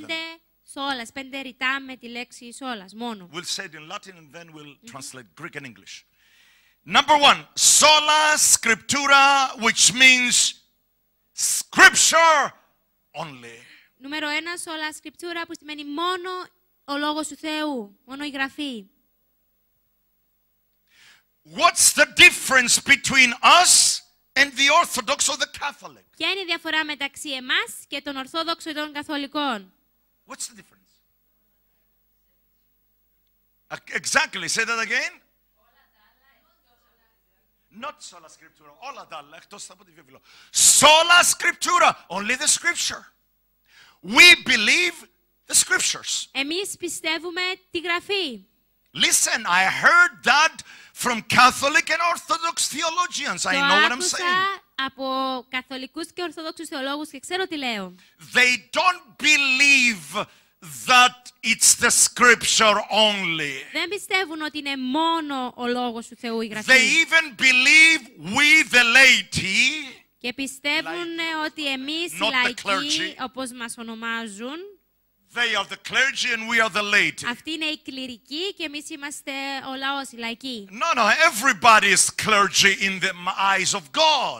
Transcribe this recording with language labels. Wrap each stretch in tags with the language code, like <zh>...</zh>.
<el>Πέντε solas. Πέντε ρητά με τη λέξη solas. Μόνο.</el> <en>We'll say it in Latin and then we'll translate Greek and English. Number one, sola scriptura, which means scripture only.</en> <el>Νούμερο ένα, sola scriptura, που σημαίνει μόνο ο λόγος του Θεού, μόνο η γραφή.</el> <en>What's the difference between us and the Orthodox or the Catholic?</en> <el>Ποια είναι η διαφορά μεταξύ εμάς και των Ορθόδοξων ή των Καθολικών?</el> <en>What's the difference? Exactly. Say that again. Not sola scriptura.</en> <el>Όλα τα άλλα, εκτός από τη Βιβλία.</el> <en>Sola scriptura. Only the scripture. We believe the scriptures.</en> <el>Εμείς πιστεύουμε τη γραφή.</el> <en>Listen, I heard that from Catholic and Orthodox theologians. I know what I'm saying.</en> <el>Από καθολικούς και ορθόδοξους θεολόγους και ξέρω τι λέω.</el> <en>They don't believe that it's the scripture only.</en> <el>Δεν πιστεύουν ότι είναι μόνο ο λόγος του Θεού η γραφή.</el> <en>They even believe we the laity.</en> <el>Και πιστεύουν ότι εμείς οι λαϊκοί, όπως μας ονομάζουν.</el> <en>They are the clergy and we are the laity.</en> <el>Αυτοί είναι οι κληρικοί και εμείς είμαστε ο λαός, οι λαϊκοί.</el> <en>No, no, everybody is clergy in the eyes of God.</en>